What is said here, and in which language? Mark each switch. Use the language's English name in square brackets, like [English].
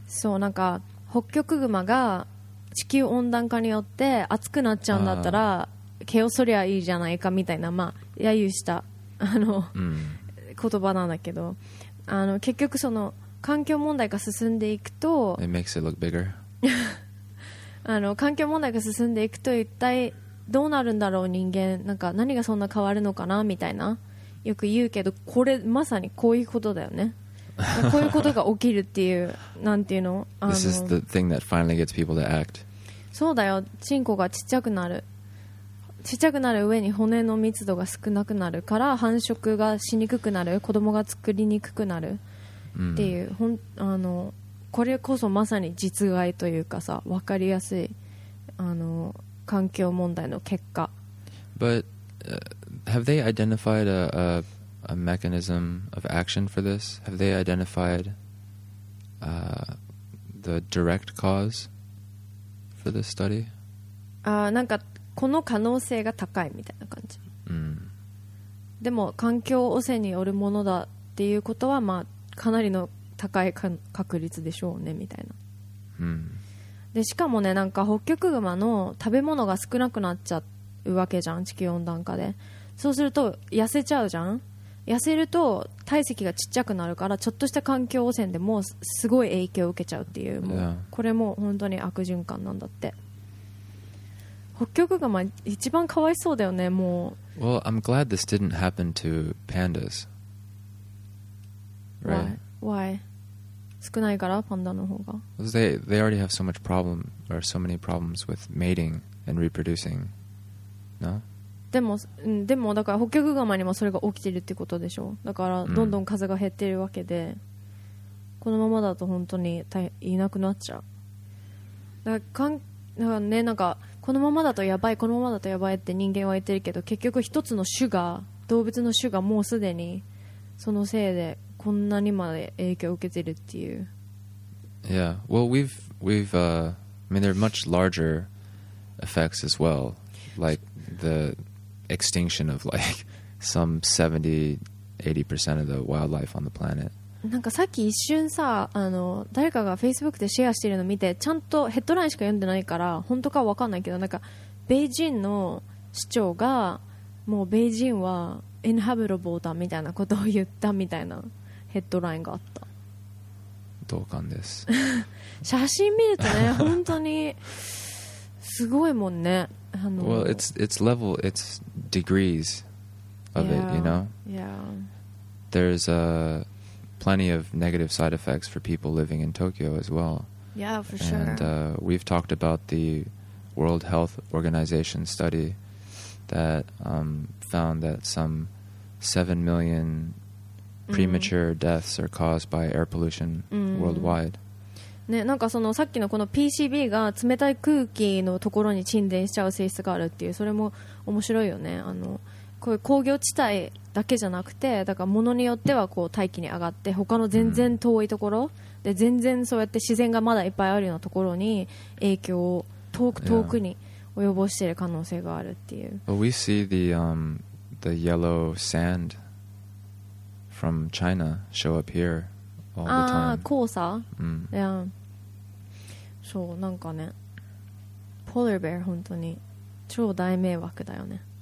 [Japanese] そう、なんか北極熊が地球温暖化によって暑くなっちゃうんだったら毛を剃りゃいいじゃないかみたいな、まあ揶揄したあの、言葉なんだけど、あの結局その環境問題が進んでいくと [English] it makes it look bigger. [Japanese] あの環境問題が進んでいくと一体どうなるんだろう、人間なんか何がそんな変わるのかなみたいな、よく言うけど、これまさにこういうことだよね。こういうことが起きるっていう、なんていうの、 [English] あの This is the thing that finally gets people to act. [Japanese] そうだよ、チンコがちっちゃくなる、ちっちゃくなる上に骨の密度が少なくなるから繁殖がしにくくなる、子供が作りにくくなるっていう、mm. あのこれこそまさに実害というかさ、分かりやすいあの環境問題の結果。 [English] But、have they identified a mechanism of action for this? Have they identified、the direct cause for this study? [Japanese] なんかこの可能性が高いみたいな感じ、 mm. でも環境汚染によるものだっていうことは、まあ、かなりの高い確率でしょうねみたいな、うん、でしかもね、なんかホッキョクグマの食べ物が少なくなっちゃうわけじゃん、地球温暖化で。そうすると痩せちゃうじゃん、痩せると体積がちっちゃくなるから、ちょっとした環境汚染でもうすごい影響を受けちゃうっていう、もうこれも本当に悪循環なんだって。ホッキョクグマ一番かわいそうだよね、もう。 [English] Well, I'm glad this didn't happen to pandas. Right? Why? [Japanese] 少ないからパンダの方が。 [English] They already have so much problem or so many problems with mating and reproducing. No? [Japanese] でもだからホッキョクグマにもそれが起きてるってことでしょ。だからどんどん数が減ってるわけで、このままだと本当にいなくなっちゃう。だからね、なんかこのままだとやばい、このままだとやばいって人間は言ってるけど、結局一つの種が、動物の種がもうすでにそのせいでこんなにまで影響を受けてるっていう。 [English] Yeah, well we've I mean there are much larger effects as well, like the extinction of like some 70-80% of the wildlife on the planet. [Japanese] なんかさっき一瞬さ、あの誰かが Facebook でシェアしてるの見て、ちゃんとヘッドラインしか読んでないから本当かわかんないけど、なんかベイジンの市長がもうベイジンはインハビタブルだみたいなことを言ったみたいなヘッドラインがあった。同感です写真見るとね本当にすごいもんね。 [English] あの Well, it's level, it's degrees of yeah, it, you know? Yeah. There's plenty of negative side effects for people living in Tokyo as well. Yeah, for sure. And we've talked about the World Health Organization study that found that some 7 million premature deaths are caused by air pollution worldwide. [Japanese] ね、なんかそのさっきのこの PCB が冷たい空気のところに沈殿しちゃう性質があるっていう、それも面白いよね。あのこういう工業地帯だけじゃなくて、だから物によってはこう大気に上がって他の全然遠いところで、全然そうやって自然がまだいっぱいあるようなところに影響を遠くに及ぼしている可能性があるっていう。 [English] Well, we see the yellow sand from China show up here all the time. [Japanese] ああ、黄砂。うん。いや、そうなんかね、polar bear 本当に超大迷惑だよね。